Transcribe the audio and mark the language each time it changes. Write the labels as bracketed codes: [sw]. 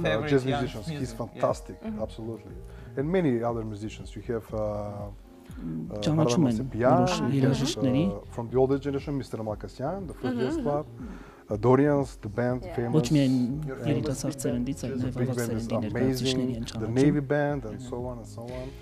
[en] jazz musicians. He's fantastic, absolutely. And many other musicians. You have [hy] ճանաչում են որոշ երաժիշտների [en] from the older generation Mr. Makasyan the first jazz club Dorians the band famous the Navy band and so on and so on